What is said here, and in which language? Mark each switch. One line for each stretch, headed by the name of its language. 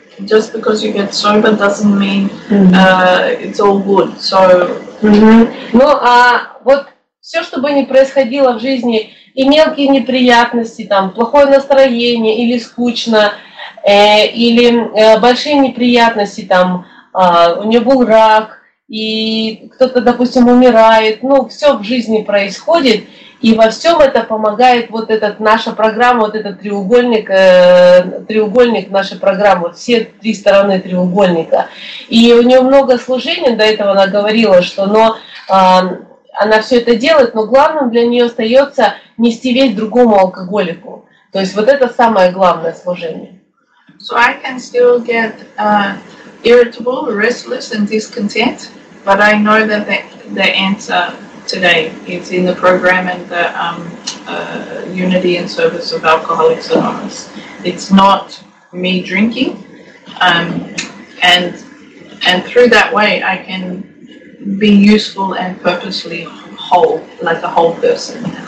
English: Just because you get sober doesn't mean it's all good. So. Mm-hmm.
Russian: Ну а вот все, что бы ни происходило в жизни. И мелкие неприятности, там, плохое настроение, или скучно, или большие неприятности, там, у нее был рак, и кто-то, допустим, умирает. Ну, все в жизни происходит, и во всем это помогает вот этот наша программа, вот этот треугольник, треугольник нашей программы, вот все три стороны треугольника. И у нее много служений, до этого она говорила, что, но... Она все это делает, но главным для нее остается нести весть другому алкоголику. То есть вот это самое главное служение.
English: So I can still get irritable, restless and discontent, but I know that the answer today is in the program and the unity and service of Alcoholics Anonymous. It's not me drinking. And through that way I can be useful and purposely whole, like a whole person.